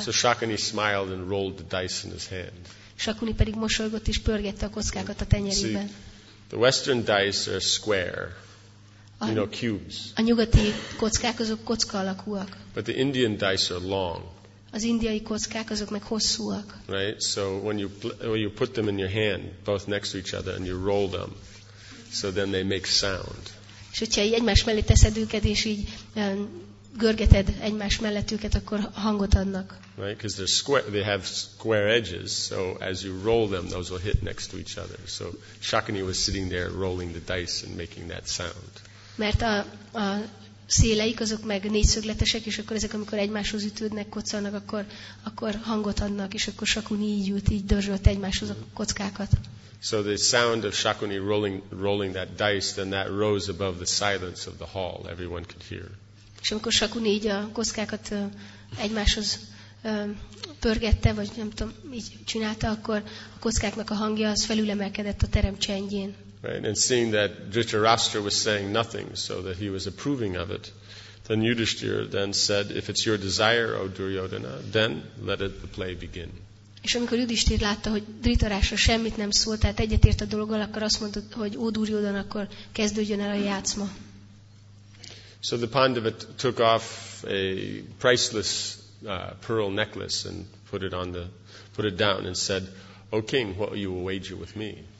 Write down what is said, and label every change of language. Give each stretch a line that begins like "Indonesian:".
English: So Shakuni smiled and rolled the dice in his hand.
Hungarian: Shakuni pedig mosolygott és pörgette a kockákat a tenyerében.
English: See, the Western dice are square. You know, cubes.
Hungarian: A nyugati kockák azok kocka alakúak.
English: But the Indian dice are long.
Hungarian: Az indiai kockák azok meg hosszúak.
English: Right? So when you put them in your hand, both next to each other, and you roll them, so then they make sound.
Hungarian: És hogyha egymás mellé teszed őket, és így görgeted egymás mellett őket, akkor hangot adnak.
English: Right? Because they're square, they have square edges, so as you roll them, those will hit next to each other. So Shakuni was sitting there rolling the dice and making that sound.
Hungarian: Mert a széleik azok meg négyszögletesek, és akkor ezek, amikor egymáshoz ütődnek, kocsannak, akkor hangot adnak, és akkor Shakuni így ült, így dörzsölt egymáshoz a kockákat.
English: So the sound of Shakuni rolling that dice, then that rose above the silence of the hall. Everyone could hear.
Hungarian: És amikor Shakuni így a kockákat egymáshoz pörgette, vagy nem tudom, így csinálta, akkor a kockáknak a hangja az felülemelkedett a terem csendjén.
English: Right, and seeing that Dhritarashtra was saying nothing, so that he was approving of it, then Yudhisthira then said, if it's your desire, O Duryodhana, then let it the play begin.
Hungarian: És amikor Yudhisthira látta, hogy Dhritarashtra semmit nem szólt, tehát egyetért a dologgal, akkor azt mondta, hogy ó Duryodhana, akkor kezdődjön el a játszma.
English: So the Pandava took off a priceless pearl necklace and put it down and said, O king, what will you wager with me?